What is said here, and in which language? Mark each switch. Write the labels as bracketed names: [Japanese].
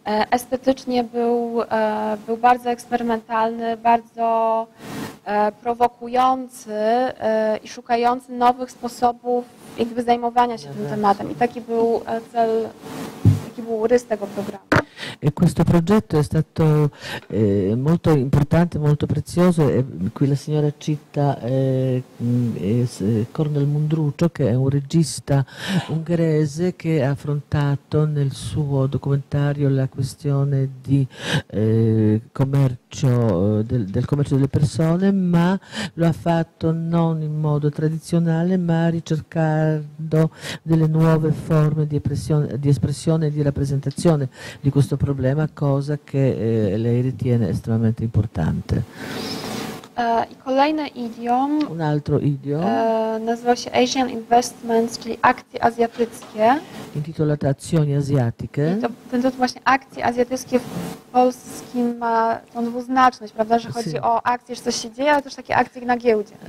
[Polish] estetycznie był bardzo eksperymentalny, bardzo prowokujący i szukający nowych sposobów jakby zajmowania się tym tematem. I taki był cel, taki był rys tego programu. [Italian] E questo progetto è stato molto importante, molto prezioso, e qui la signora cita Cornel Mundrucho, che è un regista ungherese che ha affrontato nel suo documentario la questione di commercio, del commercio delle persone, ma lo ha fatto non in modo tradizionale, ma ricercando delle nuove forme di espressione e di rappresentazione di questo progetto. Cosa che lei ritiene estremamente importante. [Polish] Kolejny idiom. [Italian] Un altro idiom. [Polish] Nazywa się Asian Investments, czyli akcje azjatyckie. [Italian] Intitolata Azioni Asiatiche. [Polish] Ten to właśnie akcje azjatyckie w polskim ma tą dwuznaczność, prawda, że chodzi o akcje, że coś się dzieje, ale też takie akcje na giełdzie.